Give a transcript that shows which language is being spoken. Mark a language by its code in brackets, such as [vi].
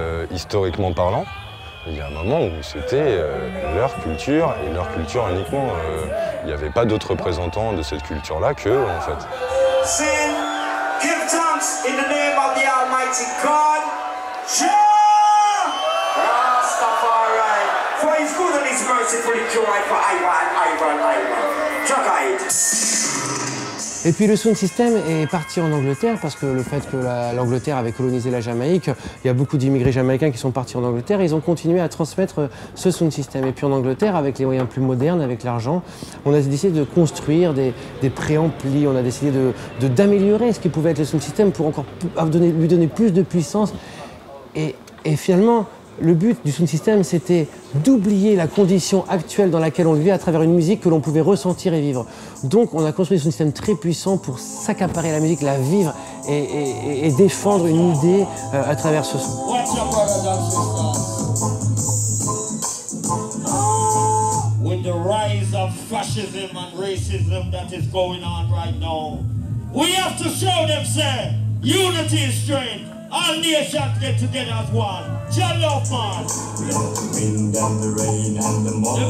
[fr] Historiquement parlant, il y a un moment où c'était leur culture et leur culture uniquement. Il n'y avait pas d'autres représentants de cette culture-là qu'eux, en fait. [en] Sing, give thanks in the name of the Almighty God, Jah Rastafari, for his good and his merciful, he cured for Ivan, Ivan, Ivan. Chakaid. [fr] Et puis le Sound System est parti en Angleterre parce que le fait que l'Angleterre avait colonisé la Jamaïque, il y a beaucoup d'immigrés jamaïcains qui sont partis en Angleterre et ils ont continué à transmettre ce Sound System. Et puis en Angleterre, avec les moyens plus modernes, avec l'argent, on a décidé de construire des préamplis, on a décidé d'améliorer ce qui pouvait être le Sound System pour encore lui donner plus de puissance. Et finalement, le but du Sound System, c'était d'oublier la condition actuelle dans laquelle on vivait à travers une musique que l'on pouvait ressentir et vivre. Donc on a construit un Sound System très puissant pour s'accaparer la musique, la vivre et défendre une idée à travers ce son. [en] With the rise of fascism and racism that is going on right now, we have to show them, sir, unity is strength. All nations get together as one. Jah love, man. Love the wind and the rain and the morning.